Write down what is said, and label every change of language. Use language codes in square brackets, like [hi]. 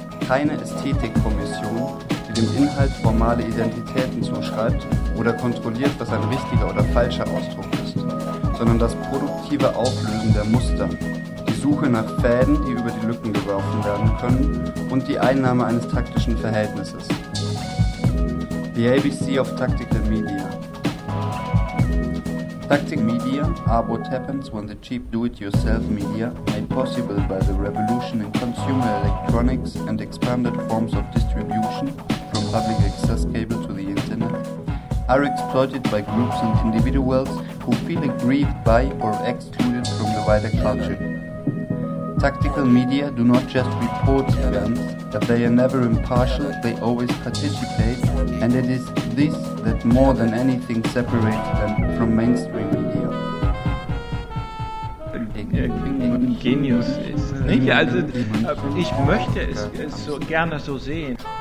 [de] Keine Ästhetikkommission, die dem Inhalt formale Identitäten zuschreibt oder kontrolliert, was ein richtiger oder falscher Ausdruck ist, sondern das produktive Auflösen der Muster, die Suche nach Fäden, die über die Lücken geworfen werden können, und die Einnahme eines taktischen Verhältnisses. [en] The ABC of Tactical Media. Tactic Media are what happens when the cheap do-it-yourself media, made possible by the revolution in consumer electronics and expanded forms of distribution, from public access cable to the internet, are exploited by groups and individuals who feel aggrieved by or excluded from the wider culture. Tactical media do not just report events, but they are never impartial, they always participate, and it is this that more than anything separates them from mainstream media. [de] Genius ist. Nicht? Also, ich möchte es so gerne so sehen.